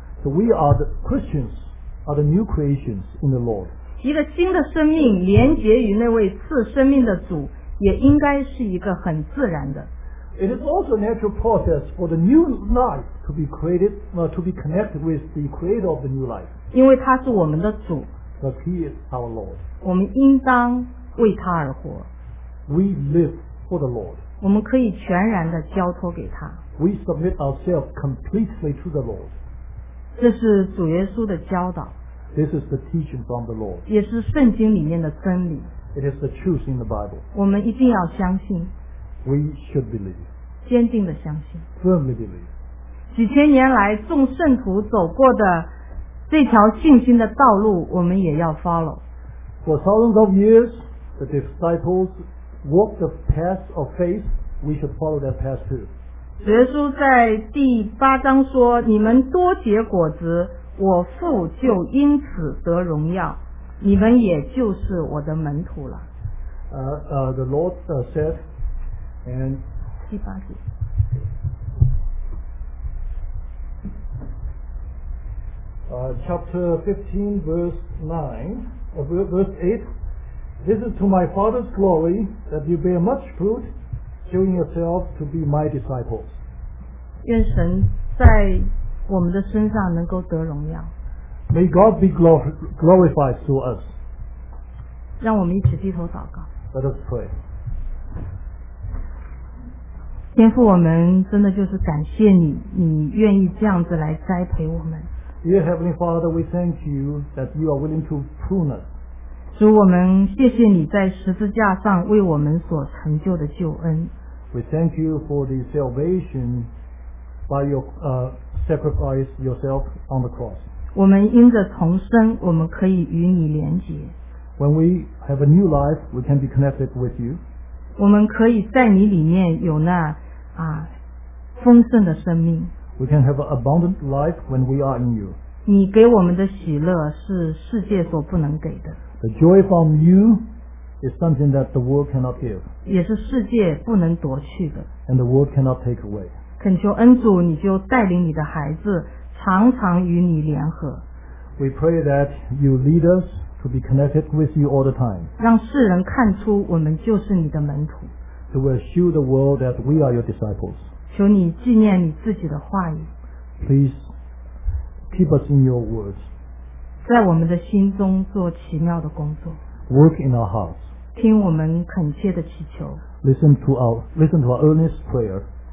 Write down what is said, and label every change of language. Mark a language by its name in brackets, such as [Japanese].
[English] So we are the Christians, are the new creations in the Lord. [Chinese] 一个新的生命连结于那位赐生命的主，也应该是一个很自然的。 [English] It is also a natural process for the new life to be created, to be connected with the creator of the new life. [Chinese] 因为他是我们的主。 [English] But he is our Lord. [Chinese] 我们应当为他而活。 [English] We live for the Lord. [Chinese] 我们可以全然地交托给他。 [English] We submit ourselves completely to the Lord. [Chinese] 这是主耶稣的教导。 [English] This is the teaching from the Lord. [Chinese] 也是圣经里面的真理。 [English] It is the truth in the Bible. [Chinese] 我们一定要相信。 [English] We should believe. [Chinese] 坚定的相信。 [English] Firmly believe. [Chinese] 几千年来众圣徒走过的这条信心的道路，我们也要 [English] follow. For thousands of years, the disciples walked the path of faith. We should follow that path too. [Chinese] 耶稣在第八章说：“你们多结果子。” 我父就因此得荣耀，你们也就是我的门徒了。 [English] The Lord said, and [Chinese] 第八节。 [English] Chapter 15, verse 8. This is to my Father's glory that you bear much fruit, showing yourself to be my disciples. [Chinese] 愿神在我们的身上能够得荣耀。 [English] May God be glorified through us. [Chinese] 让我们一起低头祷告。 [English] Let us pray. [Chinese] 天父，我们真的就是感谢你，你愿意这样子来栽培我们。 [English] Dear Heavenly Father, we thank you that you are willing to prune us. [Chinese] 主，我们谢谢你在十字架上为我们所成就的救恩。 [English] We thank you for the salvation by your sacrifice yourself on the cross. [Chinese] 我们因着重生，我们可以与你连结。 [English] When we have a new life, we can be connected with you. [Chinese] 我们可以在你里面有那丰盛的生命。 [English] We can have an abundant life when we are in you. [Chinese] 你给我们的喜乐是世界所不能给的。 [English] The joy from you is something that the world cannot give. [Chinese] 也是世界不能夺去的。 [English] And the world cannot take away. [Chinese] 恳求恩主，你就带领你的孩子常常与你联合。 [English] We pray that you lead us to be connected with you all the time. [Chinese] 让世人看出我们就是你的门徒。 [English] To assure the world that we are your disciples. [Chinese] 求你纪念你自己的话语。 [English] Please keep us in your words. [Chinese] 在我们的心中做奇妙的工作。 [English] Work in our hearts. [Chinese] 听我们恳切的祈求。 [English] Listen to our earnest prayer.